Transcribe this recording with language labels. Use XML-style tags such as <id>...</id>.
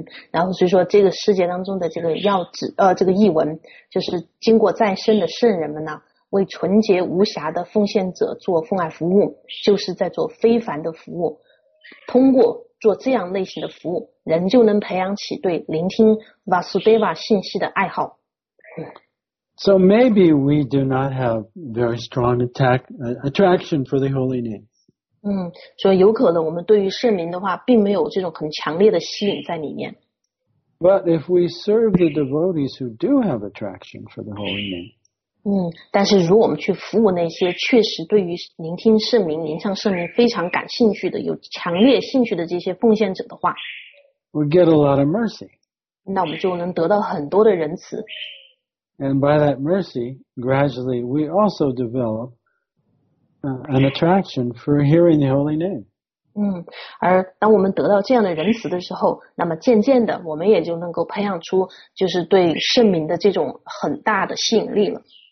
<zh>然后所以说这个世界当中的这个要旨这个译文就是经过再生的圣人们呢为纯洁无瑕的奉献者做奉爱服务就是在做非凡的服务通过做这样类型的服务人就能培养起对聆听 Vasudeva 信息的爱好。</zh> <en>So maybe we do not have very strong attraction for the holy name.</en> <zh>所以有可能我们对于圣名的话并没有这种很强烈的吸引在里面。</zh> <en>But if we serve the devotees who do have attraction for the holy name.</en> <zh>但是如果我们去服务那些确实对于聆听圣名、聆上圣名非常感兴趣的、有强烈兴趣的这些奉献者的话，</zh> <en>We get a lot of mercy.</en> <zh>那我们就能得到很多的仁慈。</zh> <en>And by that mercy, gradually we also develop an attraction for hearing the holy name.</en> <zh>而当我们得到这样的仁慈的时候，那么渐渐的我们也就能够培养出就是对圣名的这种很大的吸引力了。</zh>